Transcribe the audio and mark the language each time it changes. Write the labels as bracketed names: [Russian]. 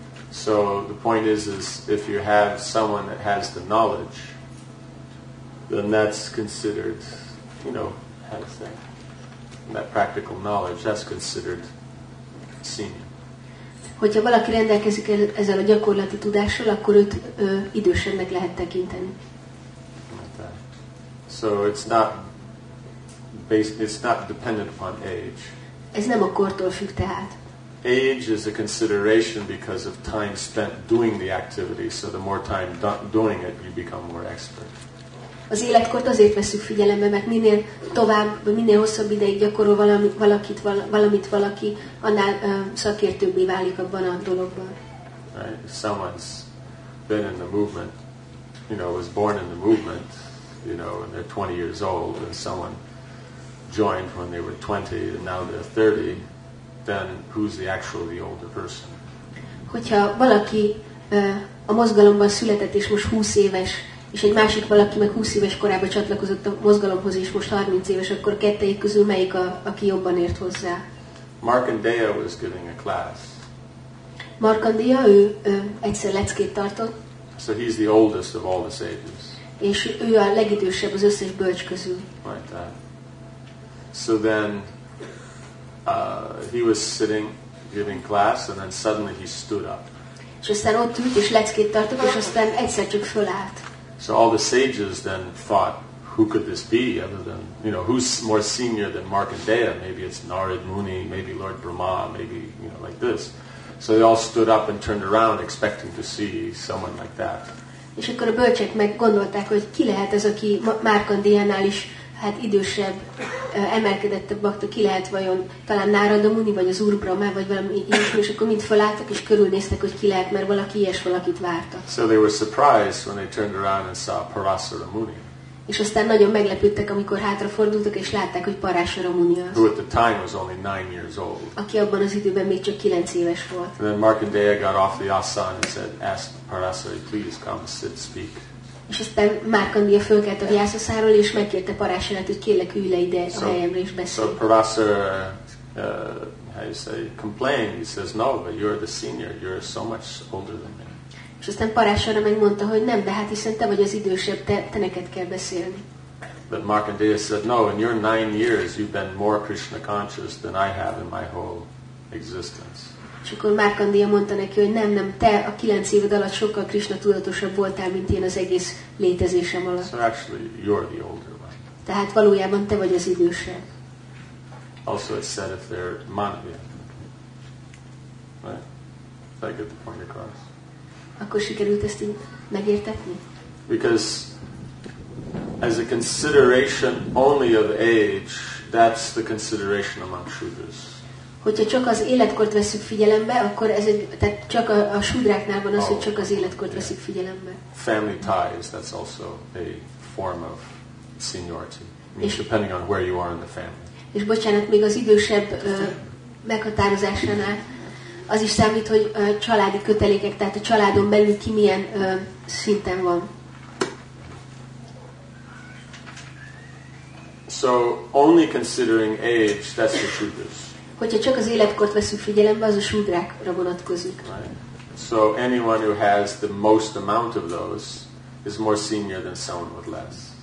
[English] So the point is if you have someone that has the knowledge, then that's considered, you know, how to say, that practical knowledge, that's considered senior. [Hungarian] Hogyha valaki rendelkezik ezzel a gyakorlati tudással, akkor őt idősebbnek lehet tekinteni. [English] So it's not based, it's not dependent upon age. [Hungarian] Ez nem a kortól függ tehát. [English] Age is a consideration because of time spent doing the activity. So the more time doing it, you become more expert. [Hungarian] Az életkort azért veszük figyelembe, mert minél tovább, minél hosszabb ideig gyakorol valaki, annál szakértőbbé válik abban a dologban. [English] Right. If someone's been in the movement, you know, was born in the movement, you know, and they're 20 years old, and someone joined when they were 20, and now they're 30, then who's the actually older person? [Hungarian] Hogyha valaki a mozgalomban született, és most 20 éves, és egy másik valaki meg 20 éves korában csatlakozott a mozgalomhoz, és most 30 éves, akkor kettejük közül melyik, aki jobban ért hozzá? [English] Markandeya was giving a class. [Hungarian] Markandeya, ő egyszer leckét tartott. [English] So he's the oldest of all the sages. [Hungarian] És ő a legidősebb az összes bölcs közül. [English] Right, so then he was sitting giving class, and then suddenly he stood up. [Hungarian] És aztán ott ült, és leckét tartott, és aztán egyszer csak fölállt. [English] So all the sages then thought, who could this be other than, you know, who's more senior than Markandeya? Maybe it's Narad Muni, maybe Lord Brahma, maybe, you know, like this. So they all stood up and turned around expecting to see someone like that. [Hungarian] És akkor a bölcsek meg gondolták, hogy ki lehet ez, aki Markandeyánál is hát idősebb, emelkedettebb bakta, ki lehet vajon, talán Narada Muni, vagy az Úr Brahma, vagy valami ilyesmi, és akkor mind fölálltak, és körülnéztek, hogy ki lehet, mert valaki ilyes valakit vártak. [English] So they were surprised when they turned around and saw Parasara Muni. [Hungarian] És aztán nagyon meglepődtek, amikor hátrafordultak, és látták, hogy Parasara Muni az. [English] Who at the time was only 9 years old. [Hungarian] Aki abban az időben még csak 9 éves volt. [English] And then Markandeya got off the asana and said, ask Parasara, please come sit, speak. [Hungarian] és aztán Márkandia fölkelt a viászaszáról, és megkérte Parásanát, hogy kérlek ülj le ide a helyemre, és beszélj. [English] So Parasa, how you say, complained, he says, no, but you're the senior, you're so much older than me. [Hungarian] És aztán Parásara megmondta, hogy nem, de hát hiszen te vagy az idősebb, te neked kell beszélni. [English] But Markandeya said, no, in your 9 years, you've been more Krishna conscious than I have in my whole existence. [Hungarian] És akkor Márkandia mondta neki, hogy nem, te a 9 éved alatt sokkal Krishna tudatosabb voltál, mint én az egész létezésem alatt. [English] So actually, you're the older one. [Hungarian] Tehát valójában te vagy az idősebb. [English] Also it said if they're Manavya. Right? Did I get the point across? [Hungarian] Akkor sikerült ezt így megértetni? [English] Because as a consideration only of age, that's the consideration among shudras. [Hungarian] Hogyha csak az életkort veszük figyelembe, akkor ez egy, tehát csak a shudráknál van az, hogy csak az életkort veszük figyelembe. [English] Family ties, that's also a form of seniority. Means depending on where you are in the family. [Hungarian] És bocsánat, még az idősebb meghatározásánál az is számít, hogy családi kötelékek, tehát a családon belül ki milyen szinten van. [English] So only considering age, that's the shudras. [Hungarian] Hogyha csak az életkort veszünk figyelembe, az a shudrákra vonatkozik. [English] Right. So anyone who has the most amount of those is more senior than someone with less.